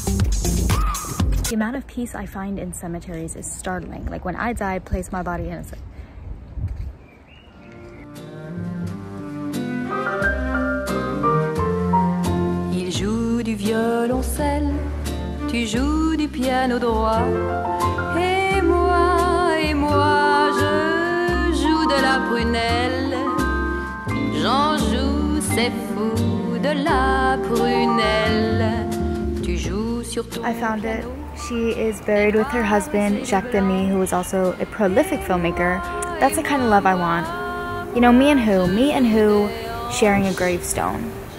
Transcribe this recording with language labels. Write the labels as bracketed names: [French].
[English] The amount of peace I find in cemeteries is startling. Like when I die, place my body in a cemetery. [French] Il joue du violoncelle, tu joues du piano droit, et moi, je joue de la prunelle. J'en joue, c'est fou, de la prunelle. Tu joues sur ton piano. [English] I found it. She is buried with her husband, Jacques Demy, who is also a prolific filmmaker. That's the kind of love I want. You know, me and who, sharing a gravestone.